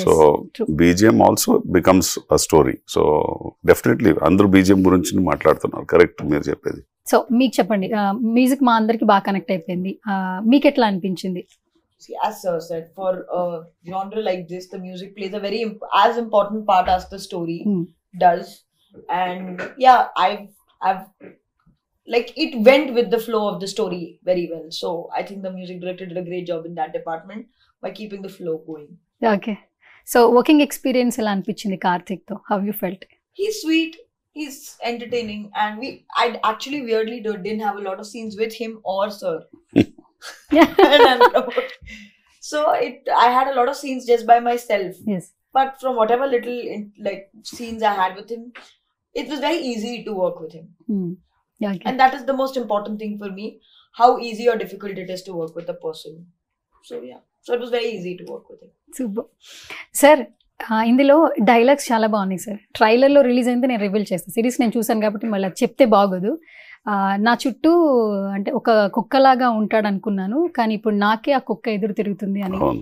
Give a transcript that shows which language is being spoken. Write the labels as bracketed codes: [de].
[en] So BGM also becomes a story. [te] So definitely అందరూ BGM గురించి మాట్లాడుతున్నారు, కరెక్ట్ మీరు చెప్పేది. సో మీకు చెప్పండి, మ్యూజిక్ మా అందరికి బాగా కనెక్ట్ అయిపోయింది, మీకు ఎట్లా అనిపించింది? [en] As sir said, for a genre like this, the music plays a very as important part as the story does. And yeah, I've like it went with the flow of the story very well. So I think the music director did a great job in that department by keeping the flow going. Okay, so working experience [te] ela anpichindi [en] Karthik tho, how you felt? He's sweet, he's entertaining, and I actually weirdly didn't have a lot of scenes with him or sir. Yeah. So I had a lot of scenes just by myself. Yes, but from whatever little like scenes I had with him, it was very easy to work with him. Okay. And that is the most important thing for me, how easy or difficult it is to work with a person. So yeah, so it was very easy to work with him. [te] Super sir, ఇందులో dialogues చాలా బాగున్నాయి sir. ట్రైలర్లో release అయింది నేను reveal చేస్తాను, series నేను చూసాను కాబట్టి మళ్ళీ చెప్తే బాగోదు. నా చుట్టూ అంటే ఒక కుక్కలాగా ఉంటాడు అనుకున్నాను, కానీ ఇప్పుడు నాకే ఆ కుక్క ఎదురు తిరుగుతుంది అని.